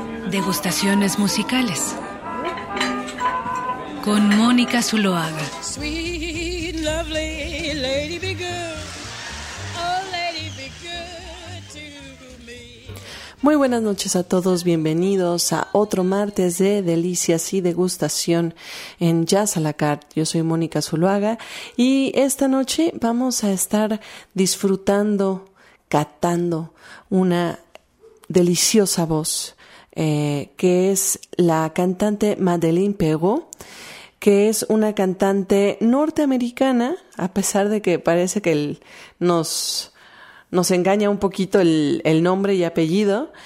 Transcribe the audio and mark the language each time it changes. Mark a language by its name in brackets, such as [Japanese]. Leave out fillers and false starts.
[Spanish] Degustaciones musicales. Con Mónica Zuloaga. [English] Sweet, lovely lady be good. Oh, lady be good to me. [Spanish] Muy buenas noches a todos, bienvenidos a otro martes de Delicias y Degustación en Jazz a la Carte. Yo soy Mónica Zuloaga y esta noche vamos a estar disfrutando, catando una deliciosa voz que es la cantante Madeleine Perrot, que es una cantante norteamericana, a pesar de que parece que nos engaña un poquito el nombre y apellido.